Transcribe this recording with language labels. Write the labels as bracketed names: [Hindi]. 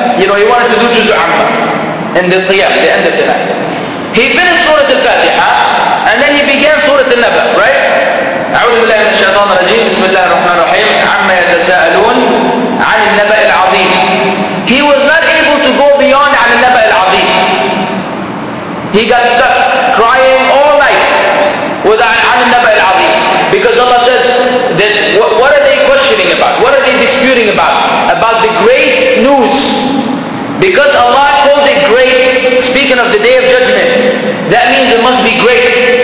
[English] You know, he wanted to do Juz'u Amma in the qiyam, the end of the night. He finished Surah Al-Fatiha and then he began Surah An-Naba, right? [Arabic] أعوذ بالله من الشيطان الرجيم بسم الله الرحمن الرحيم عما يتساءلون عن النبأ العظيم. [English] He was not able to go beyond [Arabic] عن النبأ العظيم. [English] He got stuck crying all night without عن النبأ العظيم, because Allah says that what are they questioning about? What are they disputing about? About the great news. Because Allah calls it great, speaking of the Day of Judgment, that means it must be great.